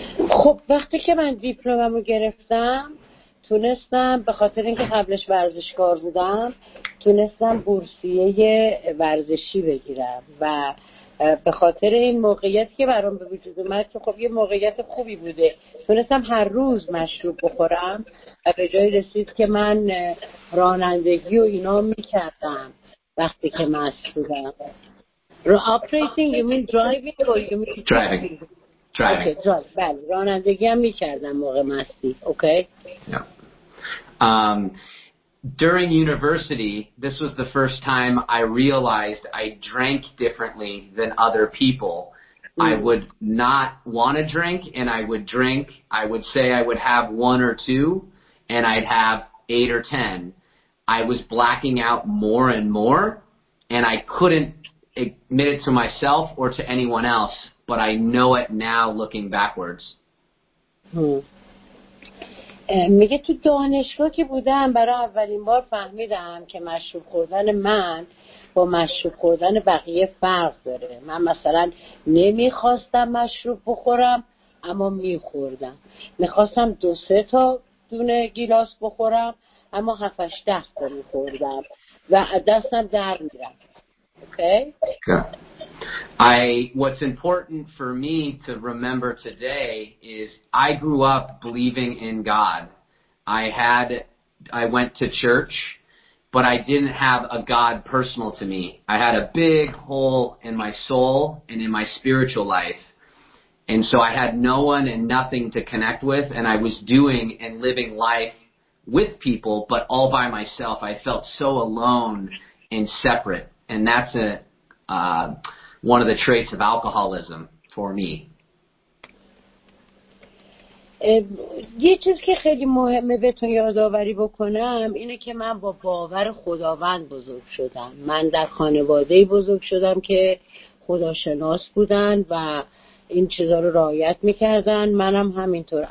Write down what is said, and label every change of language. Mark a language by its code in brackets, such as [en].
[fa] خب وقتی که من دیپلممو گرفتم تونستم به خاطر اینکه قبلش ورزشکار بودم تونستم بورسیه ورزشی بگیرم و به خاطر این موقعیتی که برام به وجود اومد که خب یه موقعیت خوبی بوده تونستم هر روز مشروب بخورم و به جایی رسید که من رانندگی و اینا میکردم وقتی که مست بودم. [en] Operating you mean driving or you mean driving? Driving. [fa] بله رانندگی هم میکردم موقع مستی. [en] Okay? During university, this was the first time I realized I drank differently than other people. I would not want to drink, and I would drink. I would say I would have one or two, and I'd have eight or ten. I was blacking out more and more, and I couldn't admit it to myself or to anyone else, but I know it now looking backwards. [fa] میگه تو دانشگاه که بودم برای اولین بار فهمیدم که مشروب خوردن من با مشروب خوردن بقیه فرق داره. من مثلا نمیخواستم مشروب بخورم اما میخوردم. میخواستم دو سه تا دونه گیلاس بخورم اما 7-8 تا میخوردم و دستم در میرفت. اوکی؟ [en] What's important for me to remember today is I grew up believing in God. I went to church, but I didn't have a God personal to me. I had a big hole in my soul and in my spiritual life. And so I had no one and nothing to connect with, and I was doing and living life with people, but all by myself. I felt so alone and separate, and that's one of the traits of alcoholism for me. [fa] یه چیز که خیلی مهمه بهتون یادآوری بکنم اینه که من با باور خداوند بزرگ شدم. من در خانواده‌ای بزرگ شدم که خداشناس بودن و این چیزا رو رعایت میکردن، منم همینطور.